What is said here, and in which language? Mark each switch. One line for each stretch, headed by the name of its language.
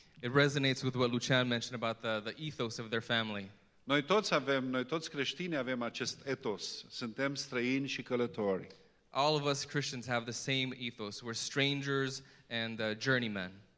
English: It resonates with what Lucian mentioned about the ethos of their family.
Romanian: Noi toți creștini avem acest etos. Suntem străini și călători.
English: All of us Christians have the same ethos. We're strangers and journeymen.